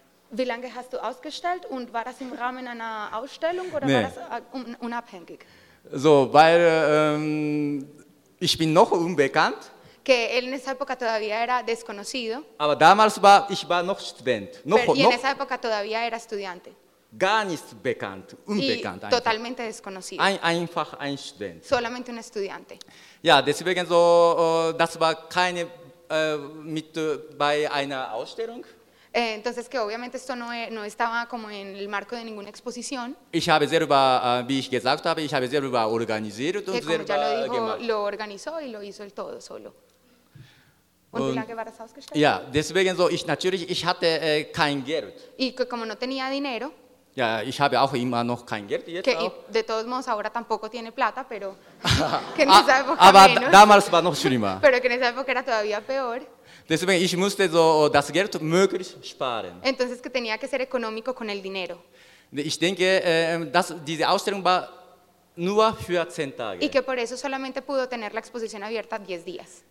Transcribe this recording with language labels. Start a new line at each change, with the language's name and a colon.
German: Wie lange hast du ausgestellt und war das im Rahmen einer Ausstellung oder war das unabhängig? So, weil ich bin noch unbekannt.
Spanish: Que él en esa época todavía era desconocido.
German: Aber damals war ich noch Student.
Spanish: Y en esa época todavía era estudiante.
German: Gar nicht bekannt, unbekannt.
Spanish: Y totalmente desconocido.
German: Einfach ein Student.
Spanish: Solamente un estudiante.
German: Ja, deswegen so, das war keine mit bei einer Ausstellung.
Spanish: Entonces que obviamente esto no estaba como en el marco de ninguna exposición.
German: Ich habe selber, wie ich gesagt habe, ich habe selber organisiert und selber gemacht.
Spanish: Como ya lo dijo, lo organizó y lo hizo él todo solo.
German: Und wie lange war das ausgestellt? Ja, deswegen so, ich hatte kein Geld.
Spanish: Y como no tenía dinero.
German: Ja, ich habe auch immer noch kein Geld jetzt
Spanish: que,
German: auch.
Spanish: De todos modos ahora tampoco tiene plata, pero que en esa época aber menos.
German: Damals war noch schlimmer.
Spanish: Pero que en esa época era todavía peor.
German: Deswegen ich musste so das Geld möglichst sparen.
Spanish: Entonces que tenía que ser económico con el dinero.
German: Ich denke, diese Ausstellung war nur für 10 Tage.
Spanish: Y que por eso solamente pudo tener la exposición abierta 10 días.